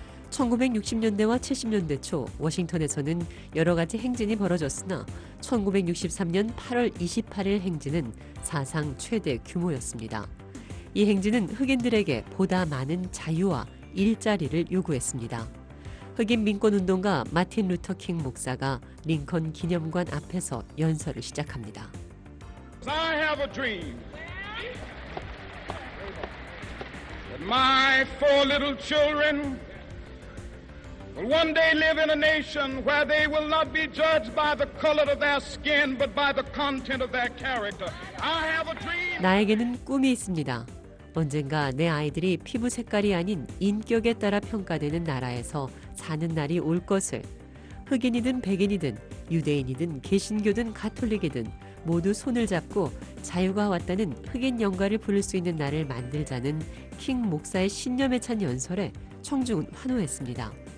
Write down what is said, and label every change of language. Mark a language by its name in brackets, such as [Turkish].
[Korean] 1960년대와 70년대 초 워싱턴에서는 여러 가지 행진이 벌어졌으나 1963년 8월 28일 행진은 사상 최대 규모였습니다. 이 행진은 흑인들에게 보다 많은 자유와 일자리를 요구했습니다. 흑인 민권운동가 마틴 루터킹 목사가 링컨 기념관 앞에서 연설을 시작합니다. [English] I have a dream that my four little children will one day live in a nation where they will not be judged by the color of their skin but by the content of their character. I have a dream. [Korean] 나에게는 꿈이 있습니다. 언젠가 내 아이들이 피부 색깔이 아닌 인격에 따라 평가되는 나라에서 사는 날이 올 것을. 흑인이든 백인이든 유대인이든 개신교든 가톨릭이든 모두 손을 잡고 자유가 왔다는 흑인 영가를 부를 수 있는 날을 만들자는 킹 목사의 신념에 찬 연설에 청중은 환호했습니다.